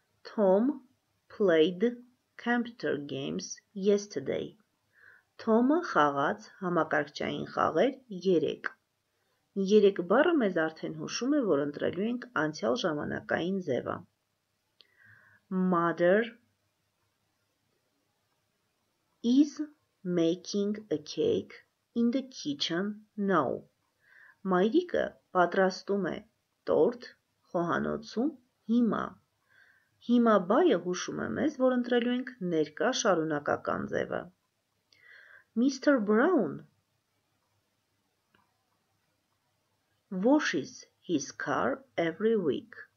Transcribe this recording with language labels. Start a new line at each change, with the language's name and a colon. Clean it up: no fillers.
English: Tom played computer games yesterday.
Armenian: Tom-ը խաղաց համակարգչային խաղեր 3. Երեք բառը մեզ արդեն հուշում է, որ ընտրելու ենք անցյալ ժամանակային ձևը.
English: Mother is making a cake in the kitchen now.
Armenian: Մայրիկը պատրաստում է տորտ խոհանոցում հիմա. Հիմա բայը հուշում է մեզ, որ ընտրելու ենք ներկա շարունակական ձևը. Mr.
English: Brown washes his car every week.